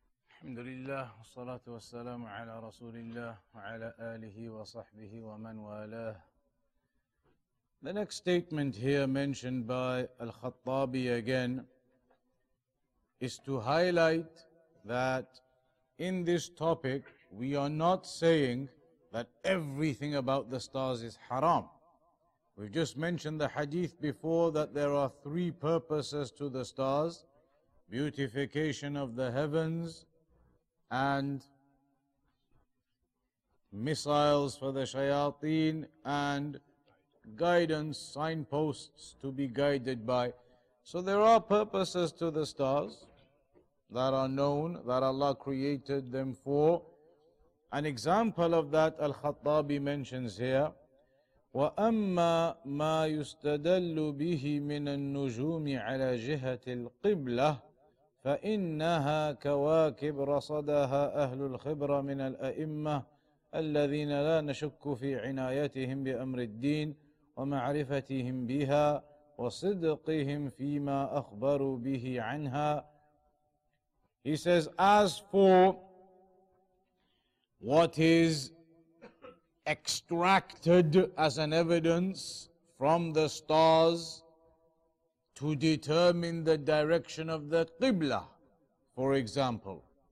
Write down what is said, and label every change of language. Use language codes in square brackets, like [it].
[ar] الحمد لله والصلاة والسلام على رسول الله وعلى آله وصحبه ومن والاه. [en] The next statement here mentioned by Al-Khattabi again is to highlight that in this topic we are not saying that everything about the stars is haram. We've just mentioned the hadith before that there are three purposes to the stars: beautification of the heavens, and missiles for the shayateen, and guidance, signposts to be guided by. So there are purposes to the stars that are known, that Allah created them for. An example of that Al-Khattabi mentions here, [ar] وَأَمَّا مَا يُسْتَدَلُّ بِهِ مِنَ النُّجُومِ عَلَى جِهَةِ الْقِبْلَةِ فإنها كواكب رصدها أهل الخبرة من الأئمة الذين لا نشك في عنايتهم بأمر الدين ومعرفتهم بها وصدقهم فيما أخبروا به عنها. [en] He says, as for what is extracted as an evidence from the stars to determine the direction of the Qibla, for example,